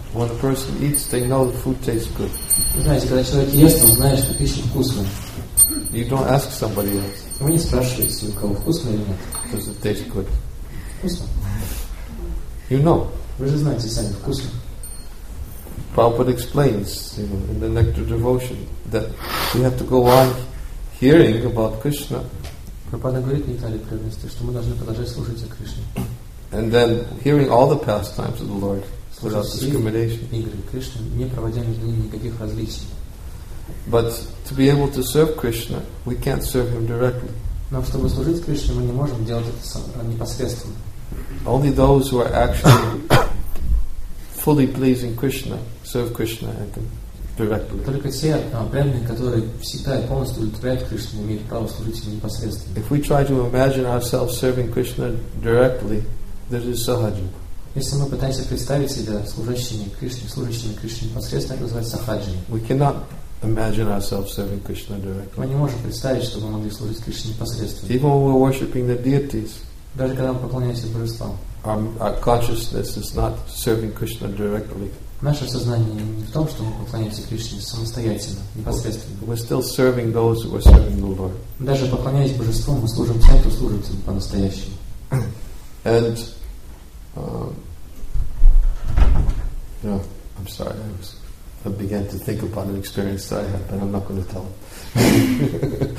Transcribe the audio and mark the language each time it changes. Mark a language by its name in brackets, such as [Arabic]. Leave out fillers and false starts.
[English] When a person eats, they know the food tastes good. [Russian] Вы знаете, когда человек ест, он знает, что пища вкусная. [English] You don't ask somebody else. [Russian] Вы не спрашиваете, у кого вкусно или нет. [English] Does it taste good? [Russian] Вкусно. [English] You know. [Russian] Вы же знаете сами, вкусно. [English] Prabhupada explains, you know, in the Nectar Devotion that we have to go on hearing about Krishna. [Russian] Prabhupada говорит в Нектаре Преданности, что мы должны продолжать слушать о Кришне. [English] And then hearing all the pastimes of the Lord without discrimination. [Russian] Игры Кришны, не проводя между ними никаких различий. [English] But to be able to serve Krishna, we can't serve Him directly. [Russian] Но чтобы служить Кришне, мы не можем делать это сам, непосредственно. [English] Only those who are actually fully pleasing Krishna, serve Krishna and can directly. [Russian] Только те преданные, которые всегда и полностью удовлетворяют Кришну, имеют право служить Ему непосредственно. [English] If we try to imagine ourselves serving Krishna directly, this is sahaja. [Russian] Если мы пытаемся представить себя служащими Кришне непосредственно, это называется сахаджи. [English] We cannot imagine ourselves serving Krishna directly. [Russian] Мы не можем представить, чтобы мы могли служить Кришне непосредственно. [English] Even when we're worshipping the deities, [Russian] даже когда мы поклоняемся божествам, [English] our consciousness is not serving Krishna directly. [Russian] Наше сознание не в том, что мы поклоняемся Кришне самостоятельно, непосредственно. [English] We're still serving those who are serving the Lord. [Russian] Даже поклоняясь божествам, мы служим тем, кто служит им по-настоящему. [English] And I'm sorry, I began to think about an experience that I had, but I'm not going to tell it.